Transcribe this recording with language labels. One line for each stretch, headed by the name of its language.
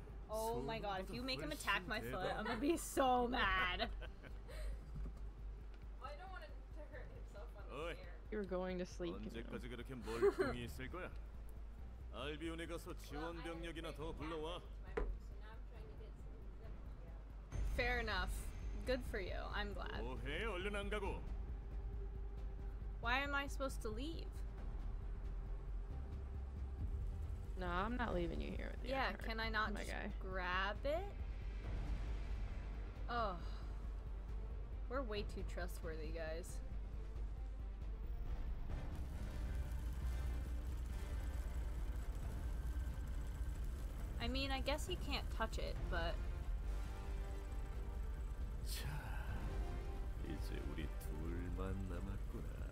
English: Oh my god, if you make him attack my foot, I'm gonna be so mad. Well, I don't want to hurt himself on the stairs. You're going to sleep.
Korean: <언제까지 그렇게 멀뚱히 있을 거야? 알비온에 가서 지원 병력이나 더 불러와.
English: Fair enough. Good for you. I'm glad.
Korean: 오해, 얼른 안 가고.
English: Why am I supposed to leave? No, I'm not leaving you here with the Yeah, Iron Heart, can I not my guy. Grab it? Oh. We're way too trustworthy, guys. I mean, I guess he can't touch it, but...
Korean: 자, 이제 우리 둘만 남았구나.